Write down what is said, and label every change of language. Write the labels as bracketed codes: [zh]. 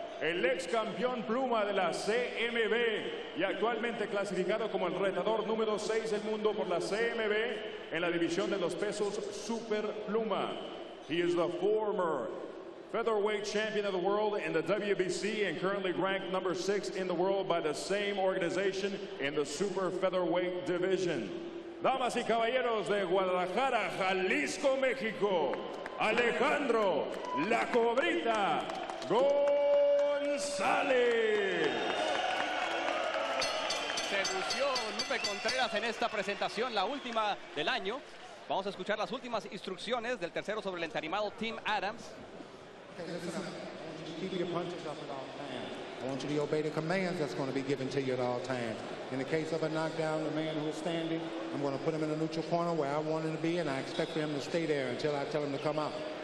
[es] El ex campeón pluma de la CMB y actualmente clasificado como el retador número 6 del mundo por la CMB en la división de los pesos super pluma. [en] He is the former featherweight champion of the world in the WBC and currently ranked number 6 in the world by the same organization in the super featherweight division. [es] Damas y caballeros, de Guadalajara, Jalisco, México, Alejandro La Cobrita González. Se lució Lupe Contreras en esta presentación, la última del año. Vamos a escuchar las últimas instrucciones del tercero sobre el entarimado, Tim Adams. [en] I want you to obey the commands that's going to be given to you at all times. In the case of a knockdown, the man who's standing, I'm going to put him in a neutral corner where I want him to be, and I expect for him to stay there until I tell him to come out.